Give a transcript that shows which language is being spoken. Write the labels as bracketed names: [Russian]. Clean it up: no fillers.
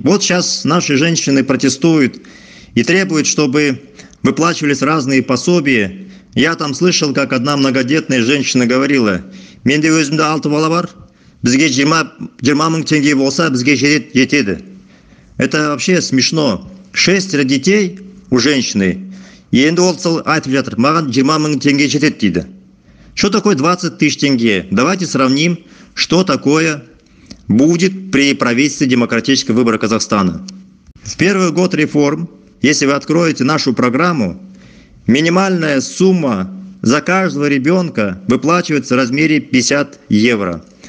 [Russian] Вот сейчас наши женщины протестуют и требуют, чтобы выплачивались разные пособия. Я там слышал, как одна многодетная женщина говорила: [Kazakh] «Менде өзімді алты бала бар, бізге 20 мың тенге болса, бізге жетеді». [Russian] Это вообще смешно. Шестеро детей у женщины. [Kazakh] Енді ол сол айтып жатыр: «Маған 20 мың тенге жетеді» дейді. [Russian] Что такое 20 тысяч тенге? Давайте сравним, что такое будет при правительстве демократического выбора Казахстана. В первый год реформ, если вы откроете нашу программу, минимальная сумма за каждого ребенка выплачивается в размере 50 евро.